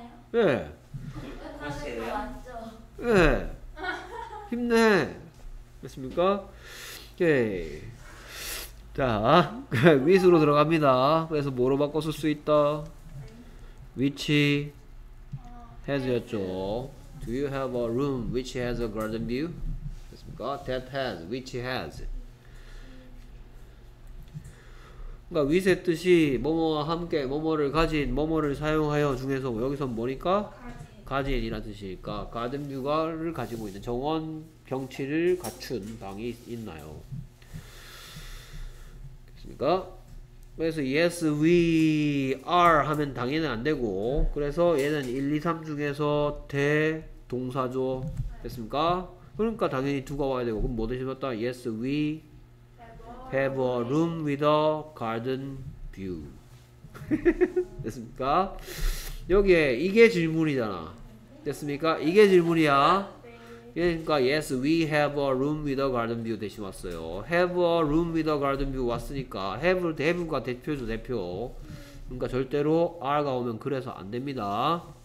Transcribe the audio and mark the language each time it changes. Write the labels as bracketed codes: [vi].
[ko] 끝나요? 예. 끝나세요? 예. 힘내. 됐습니까? 오케이. 자, 위스로 들어갑니다. 그래서 뭐로 바꿔 쓸 수 있다? Which has였죠. [en] Do you have a room which has a garden view? [ko] 됐습니까? [en] That has, which has. [ko] 그러니까 which의 뜻이 뭐뭐와 함께 뭐뭐를 가진, 뭐뭐를 사용하여 중에서 여기서 뭐니까? 가진이라는 뜻이니까 garden view를 가지고 있는 정원 경치를 갖춘 방이 있나요? 그래서 [en] yes we are [ko] 하면 당연히 안 되고 그래서 얘는 1, 2, 3 중에서 대 동사죠. 됐습니까? 그러니까 당연히 두가 와야 되고 그럼 뭐 대신 봤다? [en] yes we have a room with a garden view. [ko] 됐습니까? 여기에 이게 질문이잖아. 됐습니까? 이게 질문이야. 그러니까 [en] yes we have a room with a garden view [ko] 대신 왔어요. [en] have a room with a garden view [ko] 왔으니까 have가 대표죠. 대표. 그러니까 절대로 are가 오면 그래서 안 됩니다.